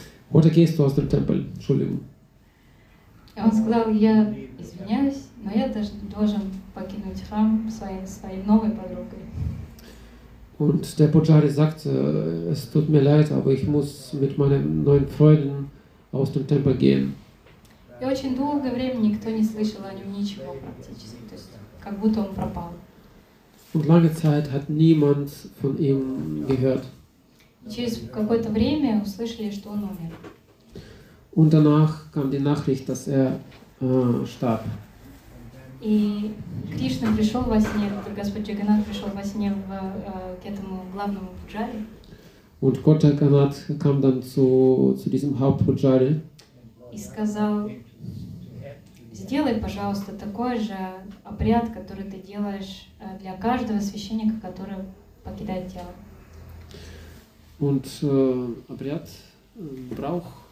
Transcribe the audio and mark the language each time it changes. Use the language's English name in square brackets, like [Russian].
[German] Oder gehst du aus dem Tempel? Entschuldigung. Er hat gesagt, ich entschuldige mich, aber ich muss [Russian] покинуть храм своей новой подругой. [German] Und der Pujari sagte, es tut mir leid, aber ich muss mit meinen neuen Freunden aus dem Tempel gehen. [Russian] И очень долгое время никто не слышал о нем ничего практически, то есть как будто он пропал. [German] Und lange Zeit hat niemand von ihm gehört. [Russian] Через какое-то время услышали, что он умер. [German] Und danach kam die Nachricht, dass er starb. [Russian] И Кришна пришел во сне, Господь Джаганнат пришел во сне в, к этому главному пуджаре. [German] Und Gott Джаганнат kam dann zu diesem Hauptpujari. [Russian] И сказал, сделай, пожалуйста, такой же обряд, который ты делаешь для каждого священника, который покидает тело. [German] Und [Russian] обряд [German] Брауch.